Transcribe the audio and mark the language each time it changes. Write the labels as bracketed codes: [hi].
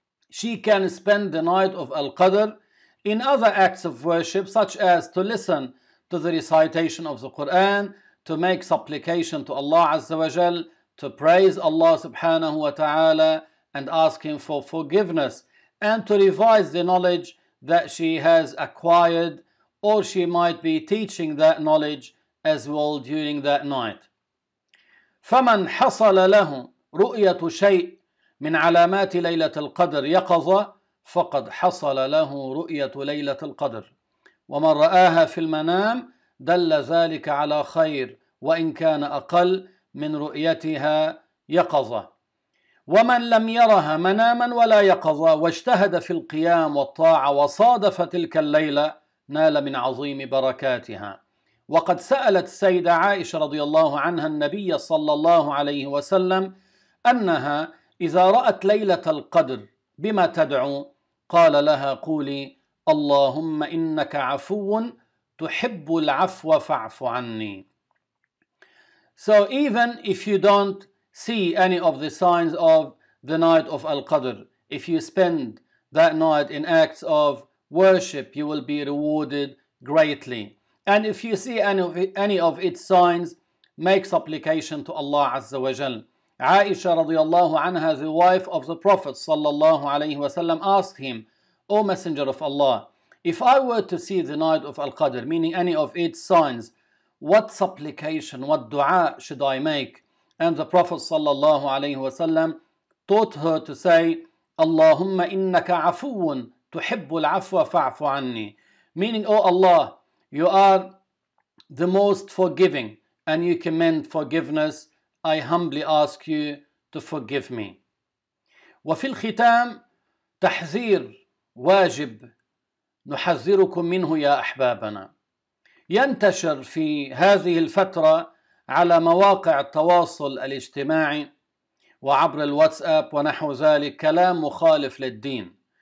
[en] she can spend the night of Al-Qadr in other acts of worship, such as to listen to the recitation of the Quran, to make supplication to Allah Azza wa Jal, to praise Allah subhanahu wa ta'ala and ask Him for forgiveness, and to revise the knowledge that she has acquired, or she might be teaching that knowledge as well during that night. [ar] فَمَنْ حَصَلَ لَهُ رُؤْيَةُ شَيْءٍ مِنْ عَلَامَاتِ لَيْلَةِ الْقَدْرِ يَقَظَ فَقَدْ حَصَلَ لَهُ رُؤْيَةُ لَيْلَةِ الْقَدْرِ وَمَنْ رَآهَا فِي الْمَنَامِ دل ذلك على خير وإن كان أقل من رؤيتها يقظة ومن لم يرها مناما ولا يقظة واجتهد في القيام والطاعة وصادف تلك الليلة نال من عظيم بركاتها. وقد سألت السيدة عائشة رضي الله عنها النبي صلى الله عليه وسلم أنها إذا رأت ليلة القدر بما تدعو, قال لها قولي اللهم إنك عفو تُحِبُّ الْعَفْوَ فَعْفُ عَنِّي. [en] So even if you don't see any of the signs of the night of Al-Qadr, if you spend that night in acts of worship, you will be rewarded greatly. And if you see any of its signs, make supplication to Allah Azza wa Jal. Aisha radiallahu anha, the wife of the Prophet sallallahu alayhi wa sallam, asked him, O Messenger of Allah, if I were to see the night of Al-Qadr, meaning any of its signs, what supplication, what dua should I make? And the Prophet sallallahu alayhi wa sallam taught her to say, [ar] Allahumma innaka afuun tuhibbu al-afwa fa'afu anni. [en] Meaning, O Allah, you are the most forgiving and you commend forgiveness. I humbly ask you to forgive me. [ar] وفي الختام تحذير واجب نحذركم منه يا أحبابنا. ينتشر في هذه الفترة على مواقع التواصل الاجتماعي وعبر الواتساب ونحو ذلك كلام مخالف للدين.